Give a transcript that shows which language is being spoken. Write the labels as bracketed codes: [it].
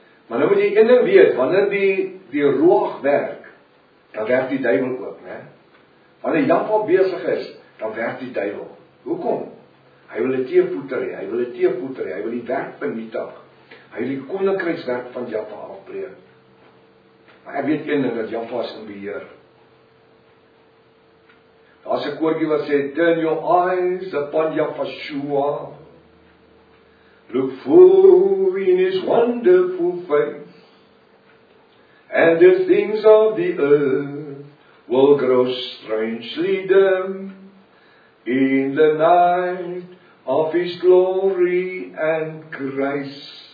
[af] Maar nou moet jy een ding weet, wanneer die roeg werk, dan werk die duivel ook, ne? Wanneer Jaffa besig is, dan werk die duivel. Hoekom? Hy wil die teepoeter, hy wil die werk vernietig, hy wil die koninkrykswerk van Jaffa afbreek. Maar ek weet een ding, dat Jaffa is in beheer. As 'n koortjie wat sê, [en] turn your eyes upon Yahshua, look full in his wonderful face, and the things of the earth will grow strangely dim in the night of his glory and grace.